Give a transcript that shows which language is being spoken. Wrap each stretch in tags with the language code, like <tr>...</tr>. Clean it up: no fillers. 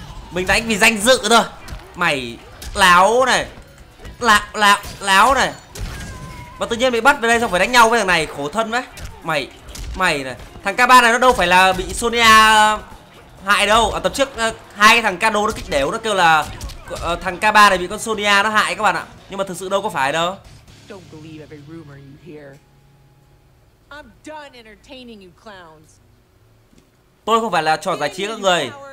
<vi>Mình đánh vì danh dự thôi. Mày láo này. Láo này. Mà tự nhiên bị bắt về đây xong phải đánh nhau với thằng này khổ thân đấy. Mày này. Thằng K3 này nó đâu phải là bị Sonya hại đâu. Ở tập trước hai cái thằng Kano nó kích đều, nó kêu là thằng K3 này bị con Sonya nó hại các bạn ạ. Nhưng mà thực sự đâu có phải đâu.</vi> <en>Don't believe every rumor you hear. I'm done entertaining you clowns.</en> <vi>Tôi không phải là trò giải trí các người.</vi>